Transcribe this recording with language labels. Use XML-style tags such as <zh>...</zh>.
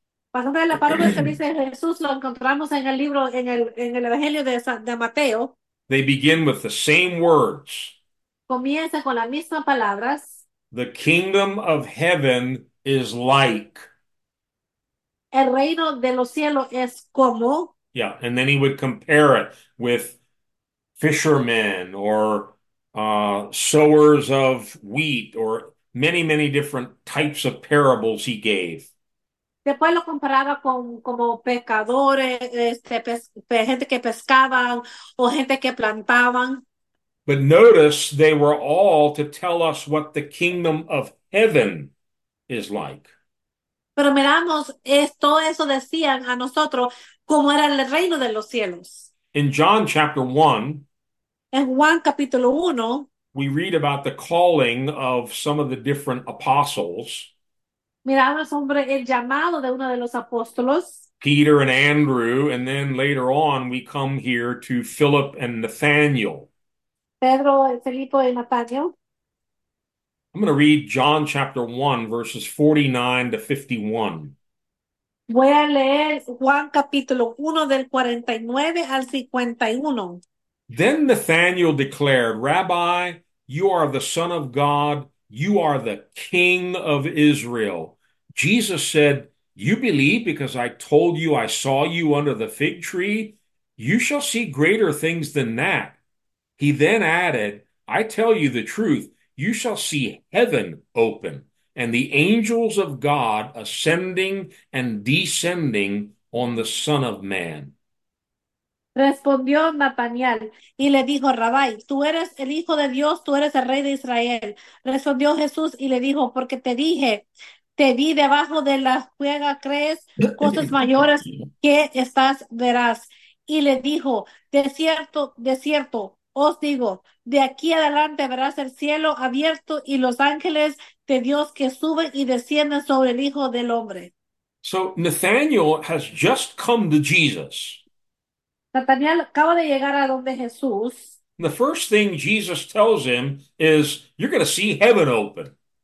<es>Pasando de las palabras que dice Jesús, lo encontramos en el libro, en el Evangelio de Mateo.</es> <en>They begin with the same words.</en> <es>Comienza con las mismas palabras.</es> <en>The kingdom of heaven is like.</en> <es>El reino de los cielos es como.</es> <en>Yeah, and then he would compare it with fishermen or sowers of wheat or many, many different types of parables he gave.</en> <es>Después lo comparaba con como pescadores, gente que pescaban o gente que plantaban.</es> <en>But notice they were all to tell us what the kingdom of heaven is like.</en> <es>Pero miramos, todo eso decían a nosotros cómo era el reino de los cielos.</es> <en>In John chapter 1,</en> <es>En Juan capítulo 1,</es> <en>we read about the calling of some of the different apostles,</en> <es>miramos, hombre, el llamado de uno de los apóstoles.</es> <en>Peter and Andrew, and then later on we come here to Philip and Nathaniel.</en> <es>Pedro, Felipe y Natalio.</es> <en>I'm going to read John chapter 1, verses 49 to 51.</en> <es>Voy a leer Juan capítulo 1 del 49 al 51.</es> <en>Then Nathanael declared, Rabbi, you are the Son of God, you are the King of Israel. Jesus said, you believe because I told you I saw you under the fig tree? You shall see greater things than that. He then added, I tell you the truth. You shall see heaven open and the angels of God ascending and descending on the Son of Man.</en> <es>Respondió Natanael y le dijo, Rabai, tú eres el Hijo de Dios, tú eres el Rey de Israel. Respondió Jesús y le dijo, porque te dije, Te vi debajo de la juega, crees cosas mayores que estás verás. Y le dijo, de cierto, os digo, de aquí adelante verás el cielo abierto y los ángeles de Dios que suben y descienden sobre el Hijo del Hombre.</es> <en>So Nathaniel has just come to Jesus.</en> <es>Nathaniel acaba de llegar a donde Jesús.</es> <en>The first thing Jesus tells him is, you're going to see heaven open.</en>